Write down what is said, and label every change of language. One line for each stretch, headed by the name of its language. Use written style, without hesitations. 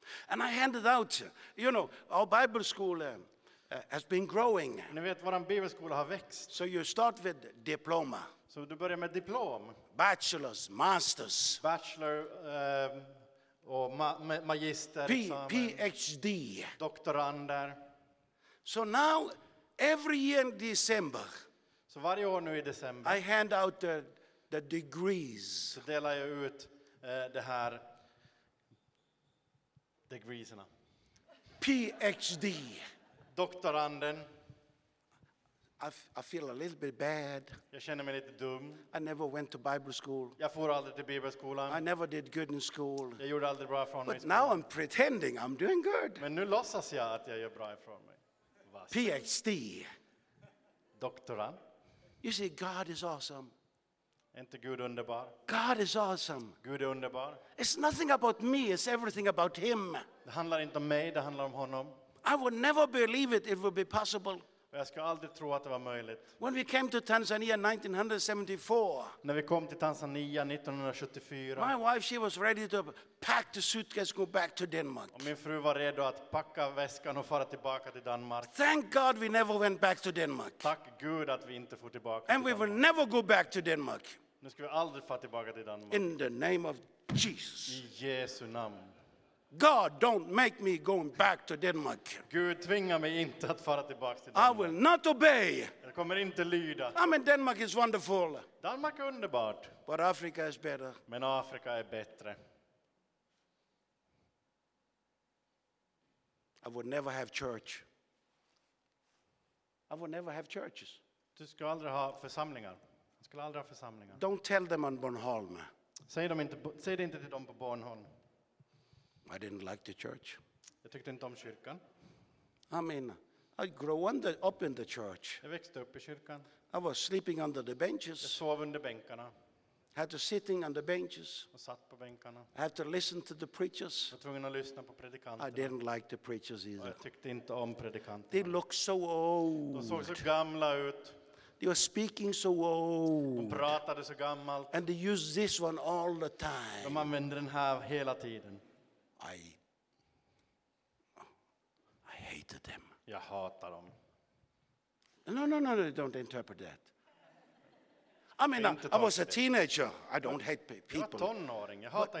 English: And I handed out, you know, our Bible school has been growing.
Swedish: Ni vet vår bibelskola har växt.
English: So you start with diploma.
Swedish: Så du börjar med diplom.
English: Bachelor's, master's.
Swedish: Bachelor och magister.
English: PhD.
Swedish: Doktorander.
English: So now every year in December.
Swedish: Så varje år nu i december.
English: I hand out the degrees.
Swedish: Så delar jag ut det här degreesarna.
English: PhD.
Swedish: Doktoranden.
English: I feel a little bit bad.
Swedish: Jag känner mig lite dum.
English: I never went to Bible school.
Swedish: Jag for aldrig till bibelskolan.
English: I never did good in school.
Swedish: Jag gjorde aldrig bra ifrån mig.
English: But now I'm pretending I'm doing good.
Swedish: Men nu låtsas jag att jag gör bra ifrån mig.
English: PhD.
Swedish: Doktorand.
English: You see, God is awesome.
Swedish: Inte Gud underbar?
English: God is awesome.
Swedish: Gud är underbar.
English: It's nothing about me, it's everything about him.
Swedish: Det handlar inte om mig, det handlar om honom.
English: I would never believe it would be possible.
Swedish: Och jag ska aldrig tro att det var möjligt.
English: When we came to Tanzania 1974.
Swedish: När vi kom till Tanzania 1974.
English: My wife, she was ready to pack the suitcase and go back to Denmark.
Swedish: Och min fru var redo att packa väskan och fara tillbaka till Danmark.
English: Thank God we never went back to Denmark.
Swedish: Tack Gud att vi inte får tillbaka.
English: And we will never go back to Denmark.
Swedish: Nu ska vi aldrig fara tillbaka till Danmark.
English: In the name of Jesus.
Swedish: I Jesu namn.
English: God, don't make me going back to Denmark.
Swedish: Gud tvingar mig inte att fara tillbaka till
English: Danmark. I will not obey.
Swedish: Jag kommer inte lyda.
English: I mean, Denmark is wonderful.
Swedish: Danmark är underbart.
English: But Africa is better.
Swedish: Men Afrika är bättre.
English: I would never have church. I would never have churches.
Swedish: Du skulle aldrig ha församlingar. Du skulle aldrig ha församlingar.
English: Don't tell them on Bornholm.
Swedish: Säg det inte till dem på Bornholm.
English: I didn't like the church.
Swedish: Jag tyckte inte om kyrkan.
English: I mean, I grew up in the church.
Swedish: Jag växte upp i kyrkan.
English: I was sleeping under the benches.
Swedish: Jag sov under bänkarna.
English: Had to sitting on the benches.
Swedish: Och satt på bänkarna.
English: I had to listen to the preachers.
Swedish: Jag var tvungen att lyssna på predikanterna.
English: I didn't like the preachers either.
Swedish: Jag tyckte inte om predikanterna.
English: They looked so old.
Swedish: De såg så gamla ut.
English: They were speaking so old.
Swedish: De pratade så gammalt.
English: And they used this one all the time.
Swedish: De använde den här hela tiden.
English: I hated them.
Swedish: Jag hatar dem.
English: No, don't interpret that. I mean, I was a teenager. I don't hate people.
Swedish: Jag var tonåring. Jag hatar